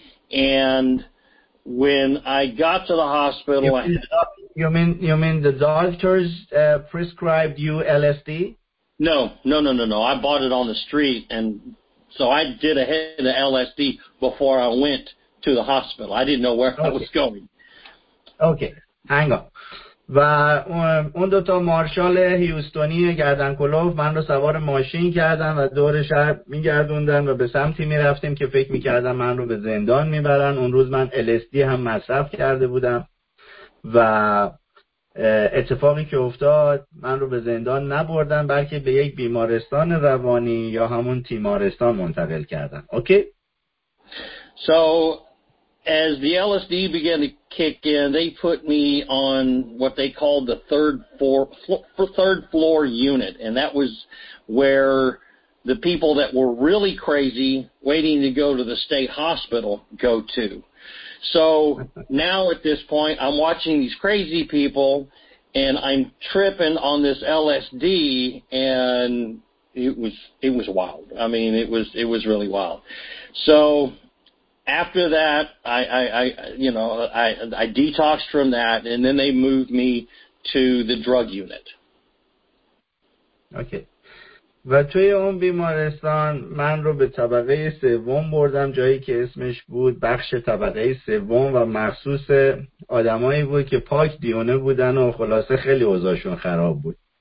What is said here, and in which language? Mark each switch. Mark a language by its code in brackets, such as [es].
[en] And when I got to the hospital, you mean the doctors prescribed you LSD? No. I bought it on the street. And so I did a hit of LSD before I went to the hospital. I didn't know where I was going. Okay, hang on. [fa] و اون دوتا مارشال هیوستونی گردن کلوف من رو سوار ماشین کردن و دور شهر میگردوندن و به سمتی میرفتیم که فکر میکردن من رو به زندان میبرن. اون روز من LSD هم مصرف کرده بودم و اتفاقی که افتاد، من رو به زندان نبردن بلکه به یک بیمارستان روانی یا همون تیمارستان منتقل کردن. [en] Okay? So as the LSD began to kick in, they put me on what they called the third floor unit, and that was where the people that were really crazy waiting to go to the state hospital go to. So now at this point, I'm watching these crazy people, and I'm tripping on this LSD, and it was wild. I mean, it was really wild. So after that, I detoxed from that, and then they moved me to the drug unit. Okay. [fa] و توی اون بیمارستان من رو به طبقه سوم بردم، جایی که اسمش بود بخش طبقه سوم و مخصوص آدمایی بود که پاک دیونه بودن و خلاصه خیلی اوضاعشون خراب بود.